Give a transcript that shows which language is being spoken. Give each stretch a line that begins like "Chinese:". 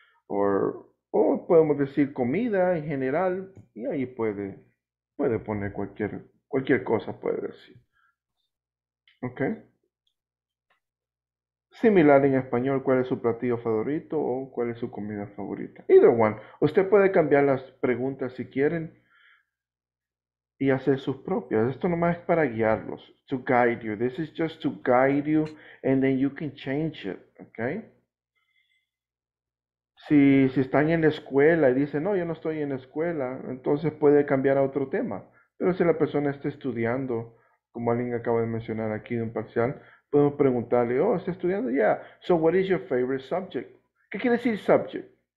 Spanish: O podemos decir comida en general y ahí puede poner cualquier cosa, puede decir. Okay. Similar en español, ¿cuál es su platillo favorito o cuál es su comida favorita?
English: Either one.
Spanish: Usted puede cambiar las preguntas si quieren y hacer sus propias. Esto nomás es para guiarlos.
English: To guide you. This is just to guide you and then you can change it. Okay?
Spanish: Si están en la escuela y dicen, no, yo no estoy en la escuela, entonces puede cambiar a otro tema. Pero si la persona está estudiando, como alguien acaba de mencionar aquí de un parcial, podemos preguntarle, oh, ¿estás estudiando?
English: Yeah. So, what is your favorite subject?
Spanish: ¿Qué quiere decir
English: subject?